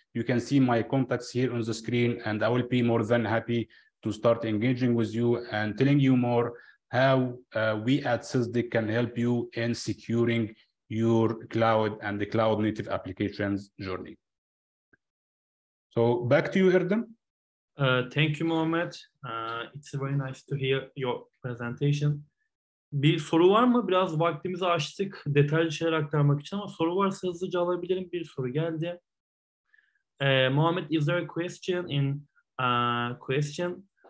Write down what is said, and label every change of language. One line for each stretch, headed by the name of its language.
English: You can see my contacts here on the screen, and I will be more than happy to start engaging with you and telling you more how we at Sysdig can help you in securing your cloud and the cloud native applications journey. So back to you, Erdem. Thank you, Mohamed. It's very nice to hear your presentation.
Turkish: Bir soru var mı? Biraz vaktimizi açtık detaylı şeyler aktarmak için, ama soru varsa hızlıca alabilirim. Bir soru geldi.
English: Mohamed, is there a question in question?